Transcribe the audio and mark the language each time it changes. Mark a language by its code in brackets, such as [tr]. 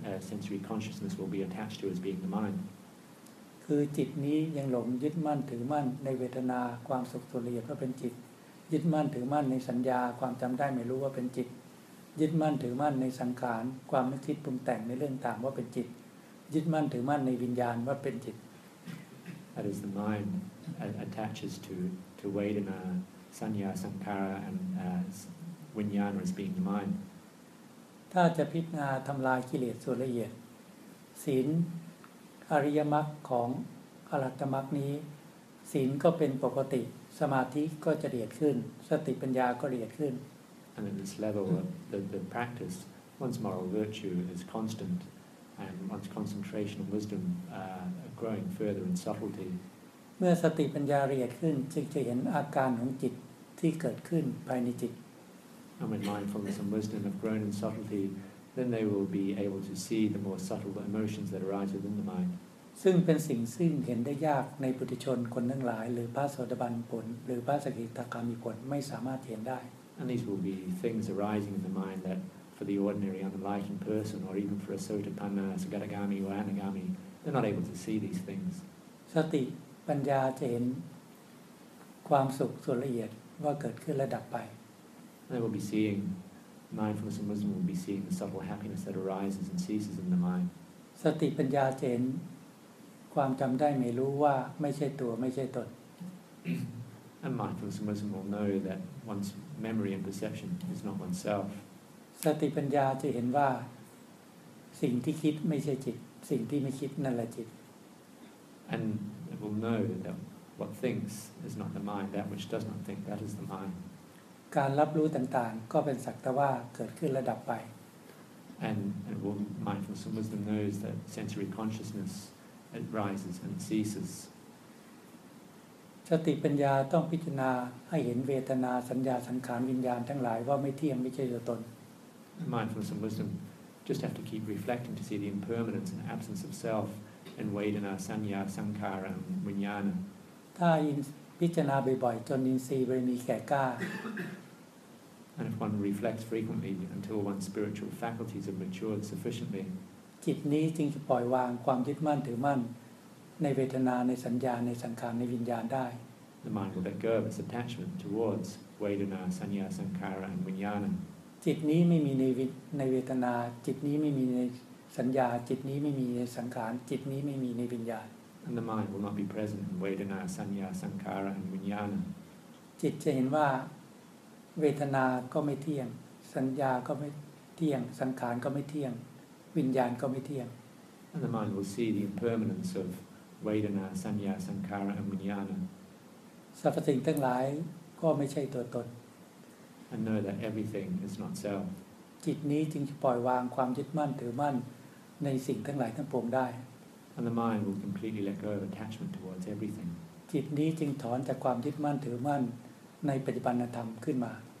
[en] sensory consciousness will be attached to as being the mind. [th] คือจิตนี้ยังหลงยึดมั่นถือมั่นในเวทนาความสุขทุกข์ละเอียดว่าเป็นจิตยึดมั่นถือมั่นในสัญญาความจำได้ไม่รู้ว่าเป็นจิตยึดมั่นถือมั่นในสังขารความนึกคิดปรุงแต่งในเรื่องต่างว่าเป็นจิตยึดมั่นถือมั่นในวิญญาณว่าเป็นจิต [en] That is the mind attaches to vedana sanya sankhara and vijnana as being the mind [th] ถ้าจะพิจารณาทำลายกิเลสส่วนละเอียดศีลอริยมรรคของอรหัตมรรคนี้ศีลก็เป็นปกติสมาธิก็จะละเอียดขึ้นสติปัญญาก็ละเอียดขึ้น [en] And at this level of the practice, one's moral virtue is constant, and one's concentration and wisdom are growing further in subtlety. [th] เมื่อสติปัญญาละเอียดขึ้นจึงจะเห็นอาการของจิตที่เกิดขึ้นภายในจิต [en] And when mindfulness and wisdom have grown in subtlety, then they will be able to see the more subtle emotions that arise within the mind. [th] ซึ่งเป็นสิ่งซึ่งเห็นได้ยากในปุถุชนคนทั้งหลายหรือพระโสดาบันผลหรือพระสกิทาคามีผลไม่สามารถเห็นได้ [en] And these will be things arising in the mind that, for the ordinary unenlightened person, or even for a Sotapanna, Sagatagami, or Anagami, they're not able to see these things. [th] Sati, panja, จะเห็นความสุขส่วนละเอียดว่าเกิดขึ้นและดับไป [en] They will be seeing mindfulness and wisdom will be seeing the subtle happiness that arises and ceases in the mind. [th] Sati, panja, จะเห็นความจำได้ไม่รู้ว่าไม่ใช่ตัวไม่ใช่ตน [en] And mindfulness and wisdom will know that one's memory and perception is not oneself. [th] สติปัญญาจะเห็นว่าสิ่งที่คิดไม่ใช่จิตสิ่งที่ไม่คิดนั่นแหละจิต [en] And it will know that what thinks is not the mind, that which does not think, that is the mind. [th] การรับรู้ต่างๆก็เป็นสักแต่ว่าเกิดขึ้นระดับไป [en] And mindfulness and wisdom knows that sensory consciousness it rises and ceases. [th] สติปัญญาต้องพิจารณาให้เห็นเวทนาสัญญาสังขารวิญญาณทั้งหลายว่าไม่เที่ยงไม่ใช่ตัวตน [en] Mindfulness and wisdom just have to keep reflecting to see the impermanence and absence of self in vedana sanya sankhara and vijnana [th] ถ้าพิจารณาบ่อยๆจนอินทรีย์บริมีแก่กล้า [en] And if one reflects frequently until one's spiritual faculties have matured sufficiently [th] จิตนี้จึงจะปล่อยวางความยึดมั่นถือมั่นในเวทนาในสัญญาในสังขารในวิญญาณได้ [en] The mind will let go of its attachment towards vedana sanya sankhara and vijnana [th] จิตนี้ไม่มีในเวทนาจิตนี้ไม่มีในสัญญาจิตนี้ไม่มีในสังขารจิตนี้ไม่มีในวิญญาณ [en] And the mind will not be present in vedana sanya sankhara and vijnana [th] จิตจะเห็นว่าเวทนาก็ไม่เที่ยงสัญญาก็ไม่เที่ยงสังขารก็ไม่เที่ยงวิญญาณก็ไม่เที่ยง [en] And the mind will see the impermanence ofvedana sanya sankhara and vijnana [th] สรรพสิ่งทั้งหลายก็ไม่ใช่ตัวตน [en] and know that everything is not self [th] จิตนี้จึงจะปล่อยวางความยึดมั่นถือมั่นในสิ่งทั้งหลายทั้งปวงได้ [en] and the mind will completely let go of attachment towards everything [th] จิตนี้จึงถอนจากความยึดมั่นถือมั่นในปัจจุบันธรรมขึ้นมา